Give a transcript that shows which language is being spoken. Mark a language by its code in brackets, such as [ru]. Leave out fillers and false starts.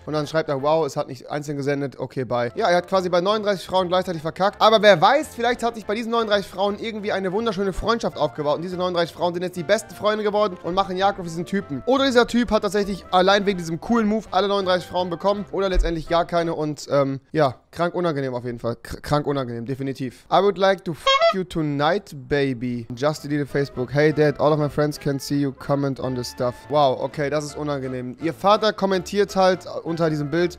[de] Und dann schreibt er, wow, es hat nicht einzeln gesendet. Okay, bye. Ja, er hat quasi bei 39 Frauen gleichzeitig verkackt. Aber wer weiß, vielleicht hat sich bei diesen 39 Frauen irgendwie eine wunderschöne Freundschaft aufgebaut. Und diese 39 Frauen sind jetzt die besten Freunde geworden und machen Jagd auf diesen Typen. Oder dieser Typ hat tatsächlich allein wegen diesem coolen Move alle 39 Frauen bekommen. Oder letztendlich gar keine und, ja, krank unangenehm auf jeden Fall. Krank unangenehm, definitiv. [en] I would like to fuck you tonight, baby. Just delete Facebook. Hey, Dad, all of my friends can see you comment on this stuff. [de] Wow, okay, das ist unangenehm. Ihr Vater kommentiert halt unter diesem Bild.